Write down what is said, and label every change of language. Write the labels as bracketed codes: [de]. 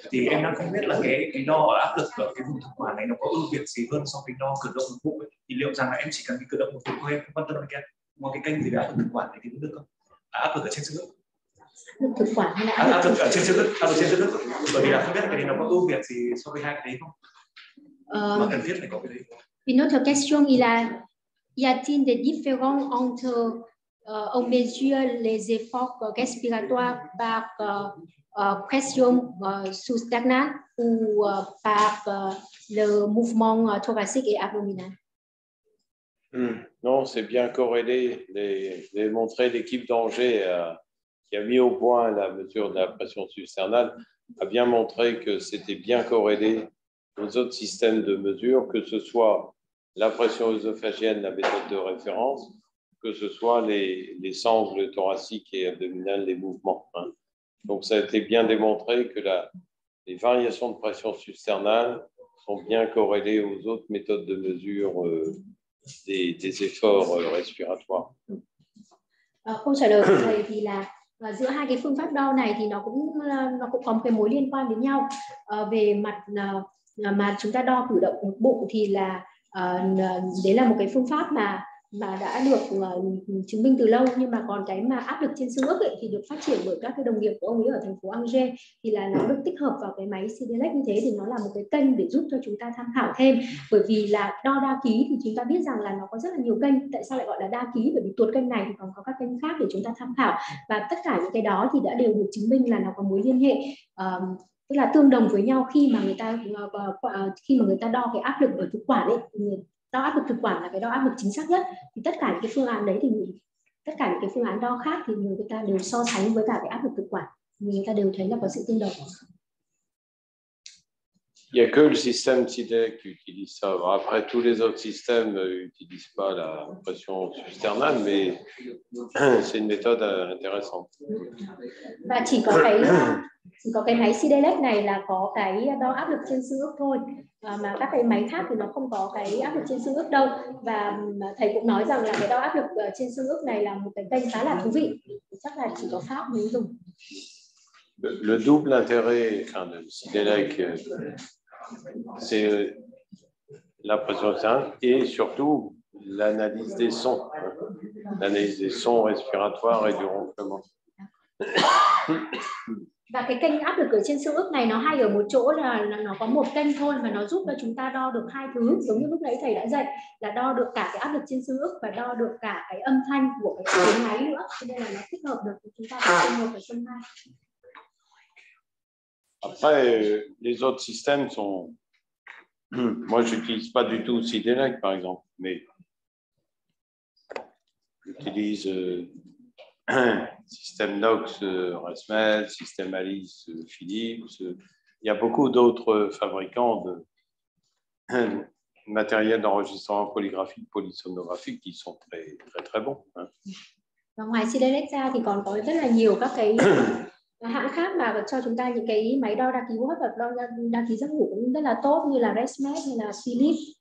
[vi] Thì em đang không biết là cái đo áp lực ở cái vùng thực quản này nó có ưu việt gì hơn so với đo cử động một bụng, thì liệu rằng là em chỉ cần cái cử động một bụng thôi, em không quan tâm đến cái một cái kênh gì đó thực quản này thì cũng được không? Áp lực ở trên xương ức thực quản hay là áp lực ở trên xương ức, áp lực trên xương ức, bởi vì là không biết là cái này nó có ưu việt gì so với hai cái đấy không, mà cần thiết phải có cái đấy. [fr] Une autre question est là, y a-t-il des différences entre on mesure les efforts respiratoires par pression sous-sternale ou par le mouvement thoracique et abdominal? Non, c'est bien corrélé. Les montrer l'équipe d'Angers qui a mis au point la mesure de la pression substernale a bien montré que c'était bien corrélé aux autres systèmes de mesure, que ce soit la pression œsophagienne, la méthode de référence, que ce soit les sangles thoraciques et abdominales, les mouvements. Hein. Donc, ça a été bien démontré que les variations de pression substernale sont bien corrélées aux autres méthodes de mesure des efforts respiratoires. [vi] Câu trả lời của thầy thì là giữa hai cái phương pháp đo này thì nó cũng có một cái mối liên quan đến nhau. Về mặt mà chúng ta đo cử động bụng thì là đấy là một cái phương pháp mà đã được chứng minh từ lâu, nhưng mà còn cái mà áp lực trên xương ức ấy, thì được phát triển bởi các cái đồng nghiệp của ông ấy ở thành phố Angers, thì là nó được tích hợp vào cái máy CDLEX như thế, thì nó là một cái kênh để giúp cho chúng ta tham khảo thêm. Bởi vì là đo đa ký thì chúng ta biết rằng là nó có rất là nhiều kênh, tại sao lại gọi là đa ký, bởi vì tuột kênh này thì còn có các kênh khác để chúng ta tham khảo, và tất cả những cái đó thì đã đều được chứng minh là nó có mối liên hệ tức là tương đồng với nhau khi mà người ta đo cái áp lực ở thực quản ấy. Đo áp lực thực quản là cái đo áp lực chính xác nhất, thì tất cả những cái phương án đấy thì tất cả những cái phương án đo khác thì người ta đều so sánh với cả cái áp lực thực quản, người ta đều thấy là có sự tương đồng. [fr] Il y a que le système CIDEC qui utilise ça. Après, tous les autres systèmes n'utilisent pas la pression substernale, mais c'est une méthode intéressante. [vi] Và chỉ có cái máy CIDEC này là có cái đo áp lực trên xương ức thôi, mà các cái máy khác thì nó không có cái áp lực trên xương ức đâu. Và thầy cũng nói rằng là cái đo áp lực trên xương ức này là một cái kênh khá là thú vị, chắc là chỉ có Pháp mới dùng. [fr] Le double intérêt enfin, de CIDELEC, c'est la pression sanguine et surtout l'analyse des sons, l'analyse des sons respiratoires et du ronflement. [vi] Và cái kênh áp lực ở trên xương ức này nó hay ở một chỗ là nó có một kênh thôi, mà nó giúp cho chúng ta đo được hai thứ, giống như lúc nãy thầy đã dạy, là đo được cả cái áp lực trên xương ức và đo được cả cái âm thanh của cái tiếng máy nữa, cho nên là nó thích hợp được chúng ta ở trên một và trên hai. [fr] Après, les autres systèmes sont... Moi, je n'utilise pas du tout CIDELEC, par exemple, mais j'utilise système NOX, RESMED, système ALICE, Philips. Il y a beaucoup d'autres fabricants de matériel d'enregistrement polygraphique, polysonographique, qui sont très, très, très bons. Hein. [vi] Ngoài CIDELEC ra, thì còn có rất là nhiều các cái... hãng khác mà cho chúng ta những cái máy đo đa ký hô hấp và đo đa ký giấc ngủ cũng rất là tốt, như là ResMed hay là Philips.